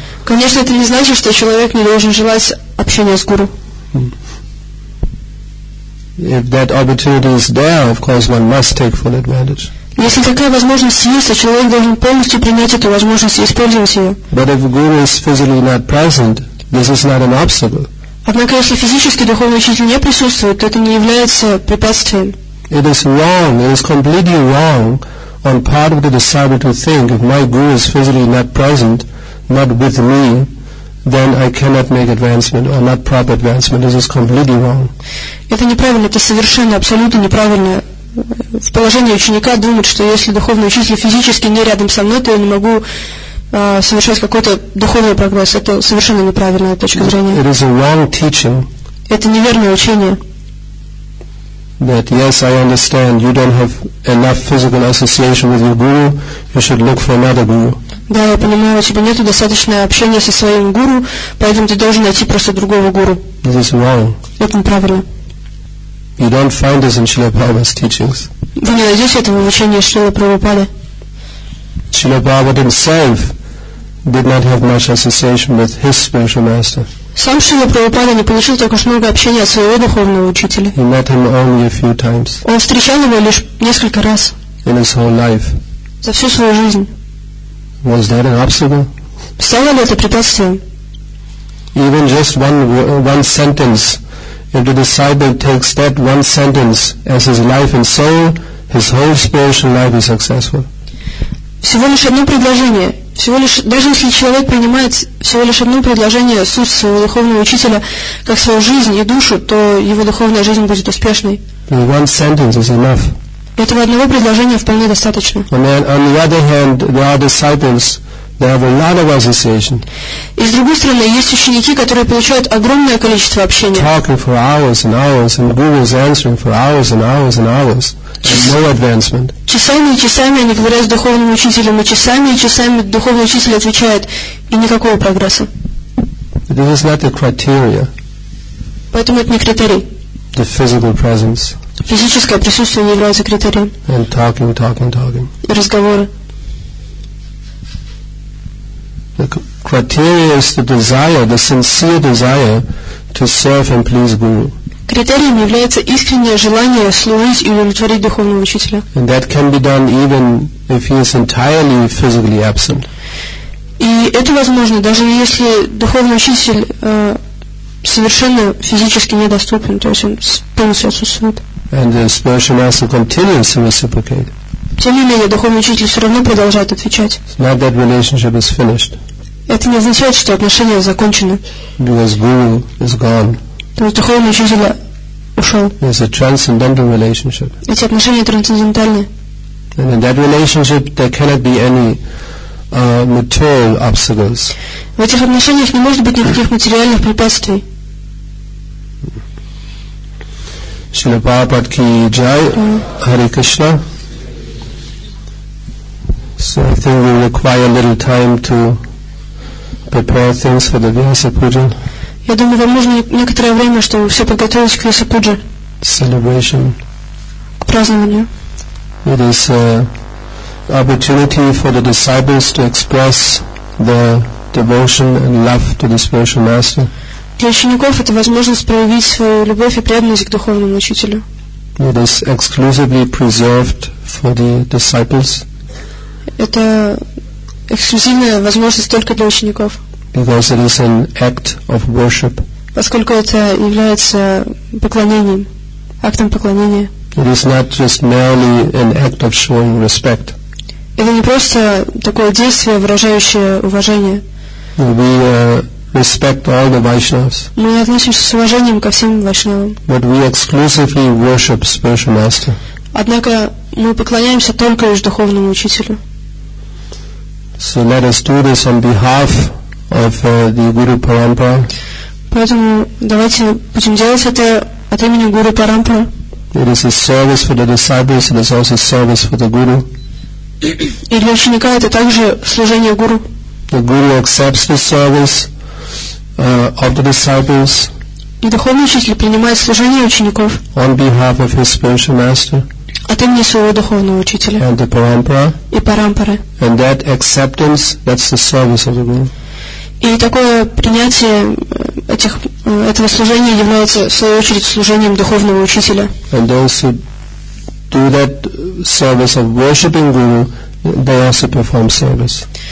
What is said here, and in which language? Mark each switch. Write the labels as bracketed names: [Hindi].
[Russian] Конечно, это не значит, что человек не должен желать общения с гуру. [English] If that opportunity is there, of course, one must take full advantage. [Russian] Если такая возможность есть, то человек должен полностью принять эту возможность и использовать ее. [English] But if guru is physically not present, this is not an obstacle. [Russian] Однако, если физически духовный учитель не присутствует, то это не является препятствием. [English] It is wrong. It is completely wrong on part of the disciple to think, if my guru is physically not present, not with me, then I cannot make advancement or not proper advancement. This is completely wrong. [Russian] Это неправильно, это совершенно, абсолютно неправильно. В положении ученика думать, что если духовный учитель физически не рядом со мной, то я не могу совершать какой-то духовный прогресс. Это совершенно неправильная точка зрения. [English] It is a wrong teaching. [Russian] Это неверное учение. [English] That yes, I understand. You don't have enough physical association with your guru. You should look for another guru. [Russian] Да, я понимаю, у тебя нету достаточного общения со своим гуру, поэтому ты должен найти просто другого гуру. [English] This is wrong. [Russian] Это неправильно. [English] You don't find this in Srila Prabhupada's teachings. [Russian] Вы не найдете этого в учении Шрилы Прабхупады. [English] Srila Prabhupada himself did not have much association with his spiritual master. [Russian] Сам Шрила Прабхупада не получил так уж много общения от своего духовного учителя. [English] He met him only a few times. [Russian] Он встречал его лишь несколько раз. [English] In his whole life. [Russian] За всю свою жизнь. [English] Was that an obstacle? [Russian] Стало ли это препятствием? [English] Even just one sentence. If the disciple takes that one sentence as his life and soul, his whole spiritual life is successful. [Russian] Всего лишь одно предложение. Всего лишь, даже если человек принимает всего лишь одно предложение с уст своего духовного учителя как свою жизнь и душу, то его духовная жизнь будет успешной. [English] And one sentence is enough. [Russian] Этого одного предложения вполне достаточно. [English] On the other hand, there are disciples. They have a lot of association. [Russian] И с другой стороны, есть ученики, которые получают огромное количество общения. [English] Talking for hours and hours, and Guru's answering for hours and hours and hours, and no advancement. [Russian] Часами и часами они говорят с духовным учителем, и часами духовный учитель отвечает, и никакого прогресса. [English] This is not a criteria. [Russian] Поэтому это не критерий. [English] the physical presence. [Russian] Физическое присутствие не является критерием. [English] And talking, talking, talking. [Russian] И разговоры. [English] The criteria is the desire, the sincere desire to serve and please Guru. [Russian] Критерием является искреннее желание служить и удовлетворить духовного учителя. [English] And that can be done even if he is entirely physically absent. [Russian] И это возможно, даже если духовный учитель совершенно физически недоступен, то есть он полностью отсутствует. [English] And the spiritual master continues to reciprocate. [Russian] Тем не менее, духовный учитель все равно продолжает отвечать. [English] It's not that relationship is finished. [Russian] Это не означает, что отношения закончены. [English] Because Guru is gone. [Russian] То есть духовный учитель ушел. [English] It's a transcendental relationship. [Russian] Эти отношения трансцендентальные. [English] And in that relationship there cannot be any material obstacles. [Russian] В этих отношениях не может быть никаких материальных препятствий. Шрила Прабхупад ки джай, Харе Кришна. [English] So I think we require a little time to prepare things for the Vyasa Puja. [Russian] Я думаю, вам нужно некоторое время, чтобы все подготовилось к Vyasa Puja. [English] Celebration. [Russian] К празднованию. [English] It is an opportunity for the disciples to express their devotion and love to the spiritual master. [Russian] Для учеников это возможность проявить свою любовь и преданность к духовному учителю. [English] It is exclusively preserved for the disciples. [Russian] Это эксклюзивная возможность только для учеников. [English] Because it is an act of worship. [Russian] Поскольку это является поклонением, актом поклонения. [English] It is not just merely an act of showing respect. [Russian] Это не просто такое действие, выражающее уважение. [English] We respect all the Vaishnavas. [Russian] Мы относимся с уважением ко всем Вайшнавам. [English] But we exclusively worship spiritual master. [Russian] Однако мы поклоняемся только лишь духовному учителю. [English] So let us do this on behalf of the Guru Parampara. [Russian] Поэтому давайте будем делать это от имени Гуру Парампара. [English] It is a service for the disciples, it is also a service for the Guru. [Russian] И для ученика это также служение Гуру. [English] The Guru accepts the service of the disciples. [Russian] И духовный учитель принимает служение учеников. [English] On behalf of his spiritual master. [Russian] От имени своего духовного учителя. [English] And the Parampara. [Russian] И Парампары. [English] And that acceptance, that's the service of the Guru. [Russian] И такое принятие этих, этого служения является, в свою очередь, служением духовного учителя. [English] And those who do that service of worshipping Guru, they also perform service.